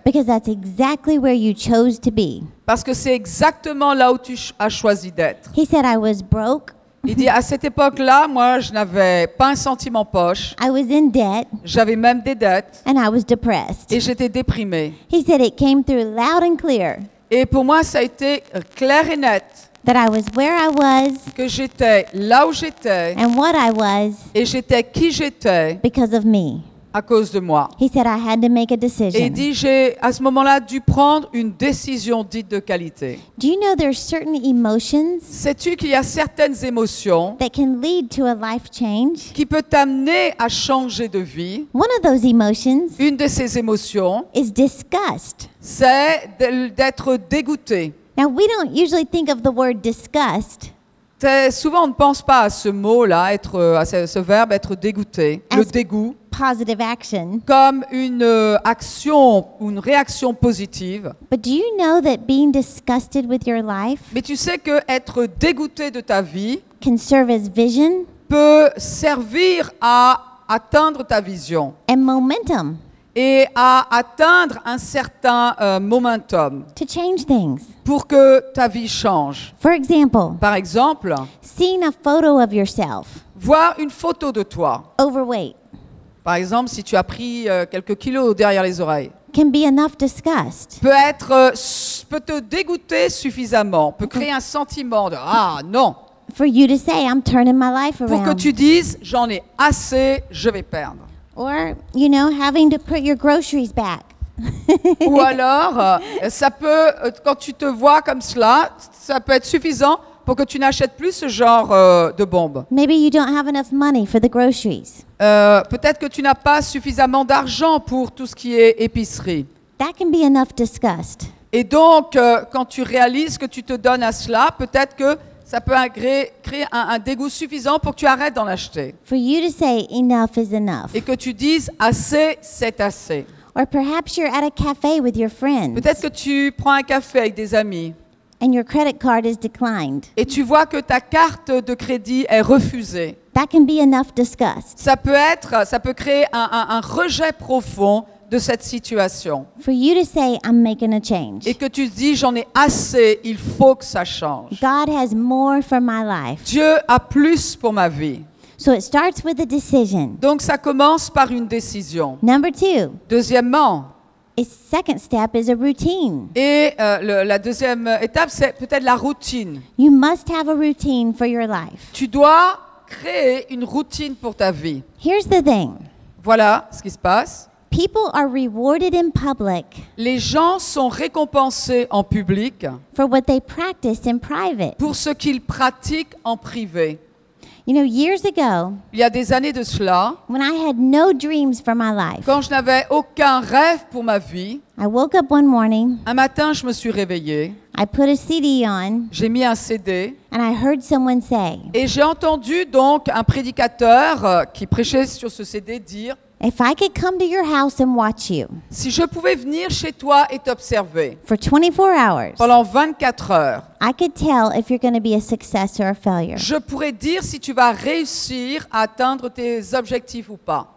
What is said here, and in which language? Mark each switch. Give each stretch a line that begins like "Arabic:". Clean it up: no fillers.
English: Because that's exactly where you chose to be.
French: Parce que c'est exactement là où tu as choisi d'être.
English: He said I was broke.
French: Il dit à cette époque-là, moi, je n'avais pas un centime en poche.
English: I was in debt,
French: j'avais même des dettes.
English: And I was depressed.
French: Et j'étais déprimé.
English: He said it came through loud and clear.
French: Et pour moi, ça a été clair et net.
English: That I was where I was,
French: que j'étais là où j'étais.
English: And what I was,
French: et j'étais qui j'étais.
English: Because of me.
French: À cause de moi.
English: He said I had to make a decision.
French: Et il dit j'ai à ce moment-là dû prendre une décision dite de qualité.
English: Do you know there are certain emotions?
French: Sais-tu qu'il y a certaines émotions
English: that can lead to a life change?
French: Qui peut t'amener à changer de vie.
English: One of those emotions.
French: Une de ces émotions
English: is disgust.
French: C'est d'être dégoûté.
English: Now we don't usually think of the word disgust.
French: Souvent on ne pense pas à ce mot-là, être à ce verbe être dégoûté, le dégoût.
English: Positive action.
French: Comme une action ou une réaction positive.
English: But do you know that being disgusted with your life?
French: Mais tu sais que être dégoûté de ta vie
English: can serve as vision.
French: Peut servir à atteindre ta vision.
English: And momentum.
French: Et à atteindre un certain momentum.
English: To change things.
French: Pour que ta vie change.
English: For example.
French: Par exemple.
English: Seeing a photo of yourself.
French: Voir une photo de toi.
English: Overweight.
French: Par exemple, si tu as pris quelques kilos derrière les oreilles,
English: can be enough disgust.
French: Peut te dégoûter suffisamment, peut créer un sentiment de ah non.
English: For you to say, I'm turning my life around.
French: Pour que tu dises, j'en ai assez, je vais perdre.
English: Or, you know, having to put your groceries back.
French: Ou alors, ça peut, quand tu te vois comme cela, ça peut être suffisant pour que tu n'achètes plus ce genre de bombes.
English: Maybe you don't have enough money for the groceries.
French: Peut-être que tu n'as pas suffisamment d'argent pour tout ce qui est épicerie.
English: That can be enough disgust.
French: Et donc, quand tu réalises que tu te donnes à cela, peut-être que ça peut créer un dégoût suffisant pour que tu arrêtes d'en acheter.
English: For you to say, enough is enough.
French: Et que tu dises assez, c'est assez.
English: Or perhaps you're at a cafe with your friends.
French: Peut-être que tu prends un café avec des amis.
English: And your credit card is declined.
French: Et tu vois que ta carte de crédit est refusée.
English: That can be enough disgust.
French: Ça peut créer un rejet profond de cette situation.
English: For you to say, I'm making a change.
French: Et que tu dis, j'en ai assez, il faut que ça change.
English: God has more for my life.
French: Dieu a plus pour ma vie.
English: So it starts with a decision.
French: Donc ça commence par une décision.
English: Number two.
French: Deuxièmement.
English: A second step is a routine.
French: Et la deuxième étape, c'est peut-être la routine.
English: You must have a routine for your life.
French: Tu dois créer une routine pour ta vie.
English: Here's the thing.
French: Voilà ce qui se passe.
English: People are rewarded in public.
French: Les gens sont récompensés en public.
English: For what they practice in private.
French: Pour ce qu'ils pratiquent en privé.
English: You know, years ago,
French: il y a des années de cela,
English: when I had no dreams for my life,
French: quand je n'avais aucun rêve pour ma vie,
English: I woke up one morning,
French: un matin, je me suis réveillée,
English: I put a CD on,
French: j'ai mis un CD,
English: and I heard someone say,
French: et j'ai entendu donc un prédicateur qui prêchait sur ce CD dire,
English: if I could come to your house and watch you,
French: si je pouvais venir chez toi et t'observer,
English: for 24 hours,
French: pendant 24 heures,
English: I could tell if you're going to be a success or a failure.
French: Je pourrais dire si tu vas réussir à atteindre tes objectifs ou pas.